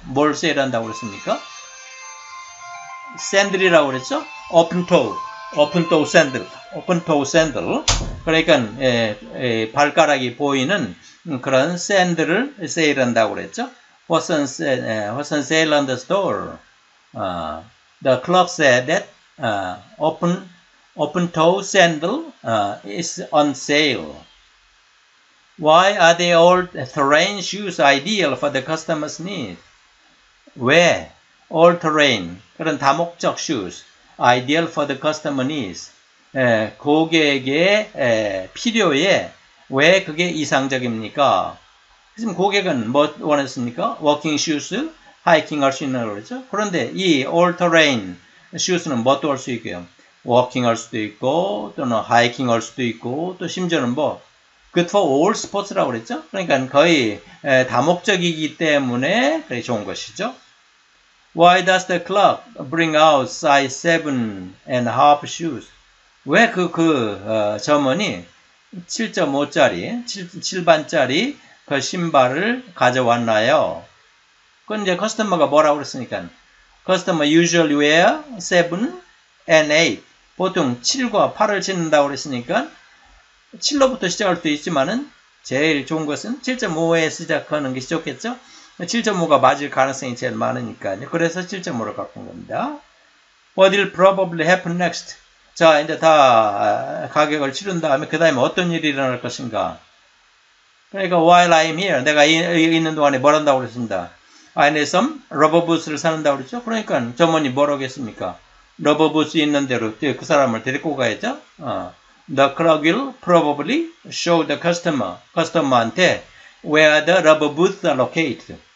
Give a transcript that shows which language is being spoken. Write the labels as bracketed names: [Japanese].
[Korean] 뭘 세일한다고 그랬습니까? 샌들이라고 그랬죠? [English] Open toe sandal. [Korean] 그러니까 발가락이 보이는 그런 샌들을 세일한다고 그랬죠? [English] What's on sale on the store? The clerk said that open toe sandal is on sale. Why are they all terrain shoes ideal for the customer's need? Where? All terrain, [Korean] 그런 다목적 [English] shoes, ideal for the customer needs. [Korean] 고객의 필요에 왜 그게 이상적입니까? 지금 고객은 뭐 원했습니까? Walking shoes, hiking 할 수 있는 거죠. 그런데 이 all terrain shoes는 뭐도 할 수 있고요. Walking 할 수도 있고 또는 hiking 할 수도 있고 또 심지어는 뭐 [English] good for all sports [Korean] 라고 그랬죠. 그러니까 거의 다목적이기 때문에 그래 좋은 것이죠. [English] Why does the clerk bring out size 7 and half shoes? [Korean] 왜 점원이 7.5짜리, 7반짜리 그 신발을 가져왔나요? 그건 이제 커스터머가 뭐라고 그랬으니까, [English] customer usually wear 7 and 8. [Korean] 보통 7과 8을 신는다고 그랬으니까, 7로부터 시작할 수도 있지만은, 제일 좋은 것은 7.5에 시작하는 것이 좋겠죠? 7.5가 맞을 가능성이 제일 많으니까 그래서 7.5로 바꾼 겁니다. [English] What will probably happen next? [Korean] 자 이제 다 가격을 치른 다음에 그 다음에 어떤 일이 일어날 것인가? 그러니까 [English] while I'm here, [Korean] 내가 있는 동안에 뭘 한다고 그랬습니다. [English] I need some rubber boots를 [Korean] 사는다고 그랬죠. 그러니까 점원이 뭐라고 했습니까? rubber boots 있는 대로 그 사람을 데리고 가야죠. [English] The clerk will probably show the customer한테 Where the rubber boots are located.